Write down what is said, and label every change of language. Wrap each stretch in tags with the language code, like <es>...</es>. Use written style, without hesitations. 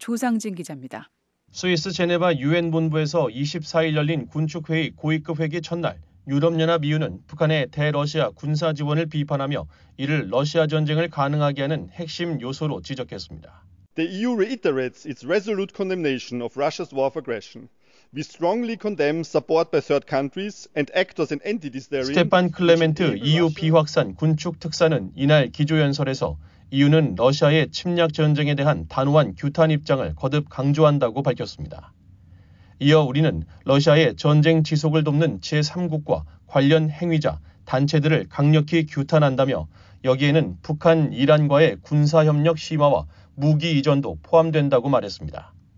<ko>조상진 기자입니다. 스위스 제네바 유엔 본부에서 24일 열린 군축회의 고위급 회기 첫날 유럽연합 EU는 북한의 대러시아 군사 지원을 비판하며 이를 러시아 전쟁을 가능하게 하는 핵심 요소로 지적했습니다.</ko> <en>The EU reiterates its resolute condemnation of Russia's war of aggression. We strongly condemn support by third countries and actors and entities therein.</en> <ko>스테판 클레멘트 EU 비확산 군축 특사는 이날 기조연설에서 EU는 러시아의 침략 전쟁에 대한 단호한 규탄 입장을 거듭 강조한다고 밝혔습니다. 이어 우리는 러시아의 전쟁 지속을 돕는 제3국과 관련 행위자, 단체들을 강력히 규탄한다며 여기에는 북한, 이란과의 군사협력 심화와 무기 이전도 포함된다고 말했습니다.</ko>